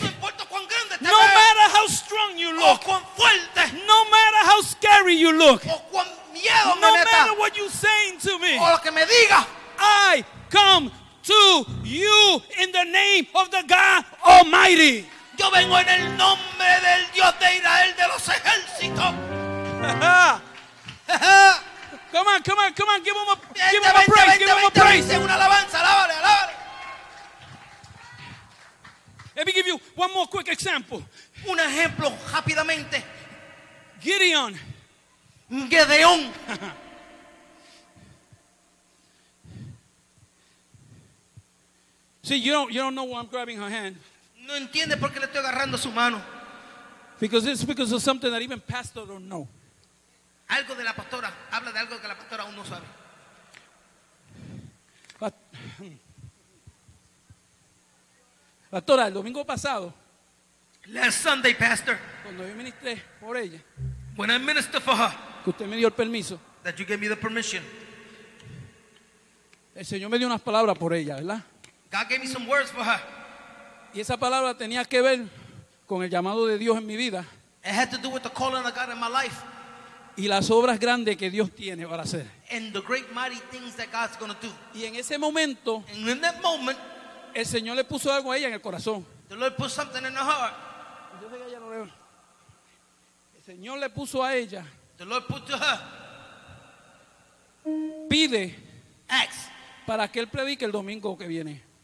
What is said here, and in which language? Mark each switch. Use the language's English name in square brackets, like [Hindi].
[Spanish] No importa cuán grande te [English] ves. No matter how strong you look. [Spanish] O cuán fuerte. [English] No matter how scary you look. [Spanish] O cuán miedo no me [English] matter meta. What you're saying to me. [Spanish] O lo que me diga. [English] I come to you in the name of the God Almighty. [Spanish] Yo vengo en el nombre del Dios de Israel, de los ejércitos. [English] Come on, come on, come on, give him a praise, give him a praise. Give him a praise. [Spanish] Una alabanza, alabale, alabale. [English] Let me give you one more quick example. [Spanish] Un ejemplo rápidamente. [English] Gideon. [Spanish] Gedeón. [English] See, you don't know why I'm grabbing her hand. [Spanish] No entiende por qué le estoy agarrando su mano. [English] Because it's because of something that even pastor don't know. [Spanish] Algo de la pastora, habla de algo que la pastora aún no sabe. Pastora, el domingo pasado, [English] last Sunday, pastor, [Spanish] cuando yo ministré por ella, [English] when I ministered for her, [Spanish] que usted me dio el permiso, [English] that you gave me the permission, [Spanish] el Señor me dio unas palabras por ella, ¿verdad? [English] God gave me some words for her. [Spanish] Y esa palabra tenía que ver con el llamado de Dios en mi vida. [English] It had to do with the calling of God in my life. [Spanish] Y las obras grandes que Dios tiene para hacer. [English] And the great mighty things that God's going to do. [Spanish] Y en ese momento, [English] and in that moment, [Spanish] el Señor le puso algo a ella en el corazón. [English] The Lord put something in her heart. [Spanish] El Señor le puso a ella. [English] The Lord put to her. [Spanish] Pide. [English] Ask. [Spanish] Para que él predique el domingo que viene.